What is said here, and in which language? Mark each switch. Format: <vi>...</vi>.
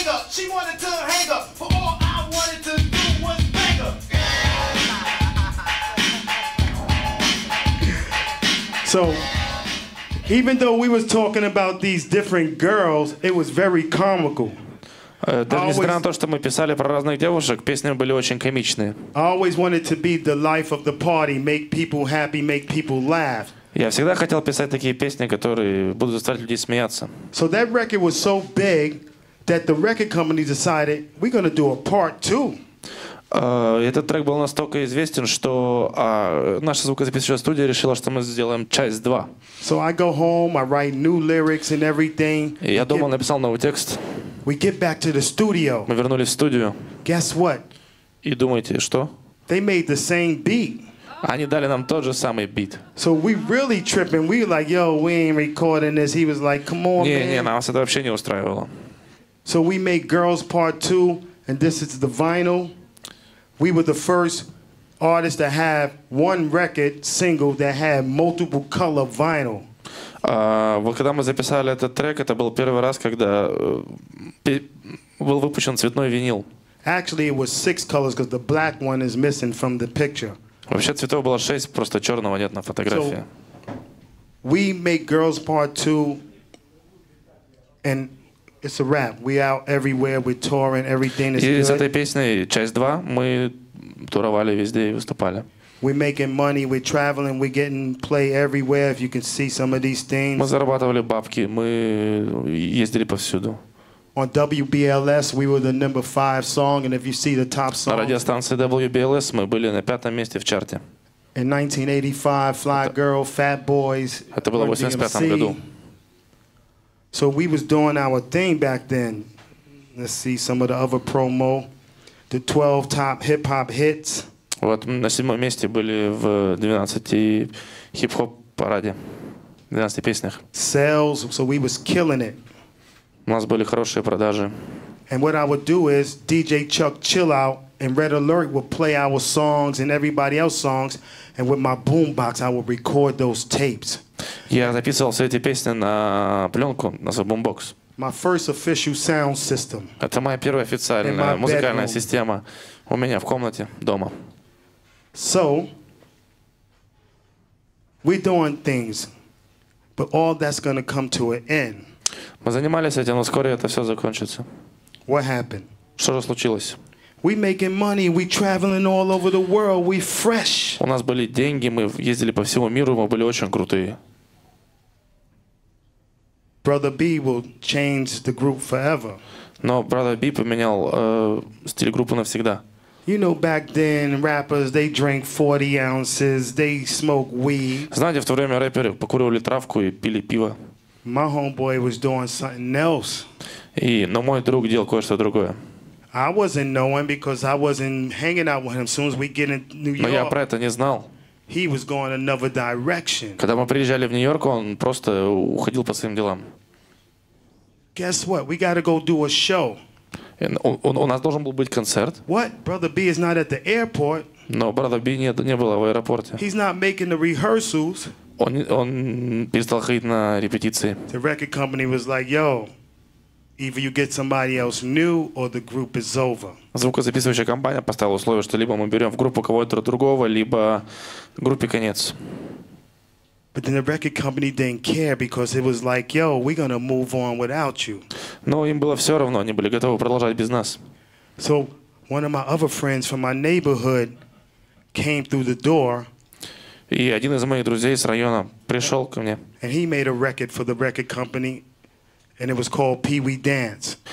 <en>She wanted to hang up, but all I wanted to do was bang her. So, even though we was talking about these different girls, it was very comical.</en> <ru>Даже несмотря на то, что мы писали про разных девушек, песни были очень комичные.</ru> <en>I always wanted to be the life of the party, make people happy, make people laugh.</en> <ru>Я всегда хотел писать такие песни, которые будут заставлять людей смеяться.</ru> <en>So that record was so big that the record company decided we're gonna do a part two.</en> <ru>Этот трек был настолько известен, что наша звукозаписывающая студия решила, что мы сделаем часть 2.</ru> <en>So I go home, I write new lyrics and everything.</en> <ru>Я дома написал новый текст.</ru> <en>We get back to the studio.</en> <ru>Мы вернулись в студию.</ru> <en>Guess what?</en> <ru>И думаете, что?</ru> <en>They made the same beat.</en> <ru>Они дали нам тот же самый бит.</ru> <en>So we really tripping. We like, yo, we ain't recording this. He was like, come on,</en> <ru>не,</ru> <en>man.</en> <ru>Не, нас это вообще не устраивало.</ru> <en>So we made Girls Part 2, and this is the vinyl. We were the first artists to have one record single that had multiple color vinyl.</en> <ru>Вот когда мы записали этот трек, это был первый раз, когда был выпущен цветной винил.</ru> <en>Actually, it was six colors because the black one is missing from the picture.</en> <ru>Вообще цветов было шесть, просто черного нет на фотографии.</ru> <en>We make Girls Part 2, and it's a rap. We out everywhere, we're touring, everything is good.</en> <ru>И из этой песни часть 2 мы туровали везде и выступали.</ru> <en>We're making money, we're traveling, we're getting play everywhere, if you can see some of these things.</en> <ru>Мы зарабатывали бабки, мы ездили повсюду.</ru> <en>On WBLS, we were the number 5 song, and if you see the top song...</en> <ru>На радиостанции WBLS мы были на пятом месте в чарте.</ru> <en>In 1985, Fly Girl, Fat Boys...</en> <ru>Это было в 85 году.</ru> <en>So we was doing our thing back then. Let's see some of the other promo. The 12 top hip-hop hits.</en> <ru>Вот на седьмом месте были в 12 хип-хоп параде, 12 песнях.</ru> <en>Sales, so we was killing it.</en> <ru>У нас были хорошие продажи.</ru> <en>And what I would do is DJ Chuck Chill Out and Red Alert would play our songs and everybody else's songs, and with my boombox I would record those tapes.</en> <ru>Я записывал все эти песни на пленку, на свой boombox.</ru> <en>My first official sound system.</en> <ru>Это моя первая официальная музыкальная система у меня в комнате дома.</ru> <en>So, we're doing things, but all that's going to come to an end.</en> <ru>Мы занимались этим, но скоро это все закончится.</ru> <en>What happened?</en> <ru>Что же случилось?</ru> <en>We making money, we traveling all over the world, we fresh.</en> <ru>У нас были деньги, мы ездили по всему миру, мы были очень крутые.</ru> <en>Brother B will change the group forever.</en> <ru>Но Brother B поменял стиль группы навсегда.</ru> <en>You know, back then, rappers, they drank 40 ounces, they smoked weed.</en> <ru>Знаете, в то время рэперы покуривали травку и пили пиво.</ru> <en>My homeboy was doing something else.</en> <ru>И, но мой друг делал кое-что другое.</ru> <en>I wasn't knowing because I wasn't hanging out with him as soon as we get in New York.</en> <ru>Но я про это не знал.</ru> <en>He was going another direction.</en> <ru>Когда мы приезжали в Нью-Йорк, он просто уходил по своим делам.</ru> <en>Guess what? We gotta go do a show.</en> <ru>У нас должен был быть концерт.</ru> <en>What? Brother B is not at the airport.</en> <ru>Но Brother B не было в аэропорте.</ru> <en>He's not making the rehearsals.</en> <ru>Он перестал ходить на репетиции.</ru> <en>The record company was like, yo, either you get somebody else new or the group is over.</en> <ru>Звукозаписывающая компания поставила условие, что либо мы берем в группу кого-то другого, либо группе конец.</ru> <en>But then the record company didn't care because it was like, yo, we're gonna move on without you.</en> <ru>Но им было все равно, они были готовы продолжать без нас.</ru> <en>So one of my other friends from my neighborhood came through the door.</en> <ru>И один из моих друзей с района пришел ко мне.</ru> <en>And he made a record for the record company, and it was called Pee Wee Dance.</en>